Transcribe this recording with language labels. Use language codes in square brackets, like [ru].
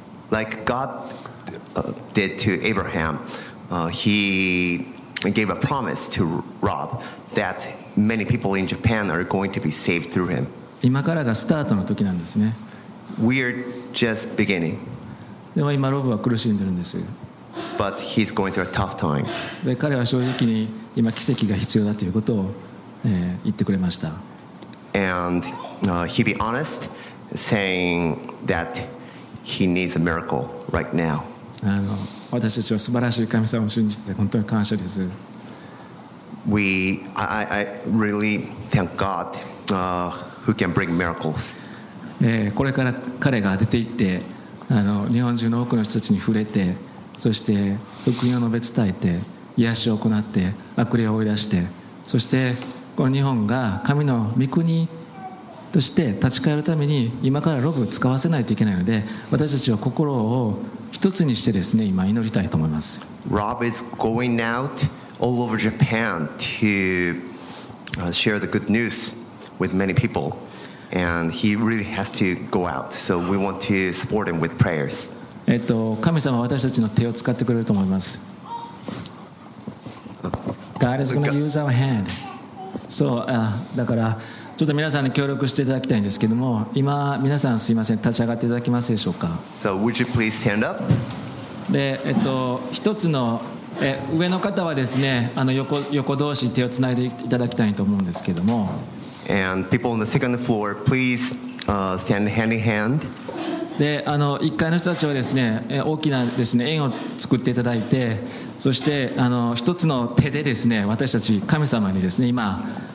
[en] Like God did to Abraham, he gave a promise to Rob that many people in Japan are going to be saved through him. [ja] 今からがスタートの時なんですね。 [en] We are just beginning. [ja] でも今ロブは苦しんでるんです。 [en] But he's going through a tough time. [ja] で彼は正直に今奇跡が必要だということを、言ってくれました。 [en] And he'd be honest, saying that he needs a miracle right now. [ja] 私たちは素晴らしい神様を信じて本当に感謝です。 [en] I really thank God, who can bring miracles. [ja] これから彼が出て行って、日本中の多くの人たちに触れて、そして福音を述べ伝えて、癒しを行って、悪霊を追い出して、そしてこの日本が神の御国として立ち返るために今からロブを使わせないといけないので、私たちは心を一つにしてですね、今祈りたいと思います。 [en] Rob is going out all over Japan to share the good news with many people, and he really has to go out. So we want to support him with prayers. [ja] 神様は私たちの手を使ってくれると思います。 [en] God is going to use our hand. So, [ja] だから。ちょっと皆さんに協力していただきたいんですけども、今皆さんすいません、立ち上がっていただけますでしょうか。 [en] So would you please stand up? [ja] で、一つの上の方はですね、横同士手をつないでいただきたいと思うんですけども。 [en] And people on the second floor, please stand hand in hand. [ja] で、1階の人たちはですね、大きなですね、円を作っていただいて、そして一つの手でですね、私たち神様にですね、今。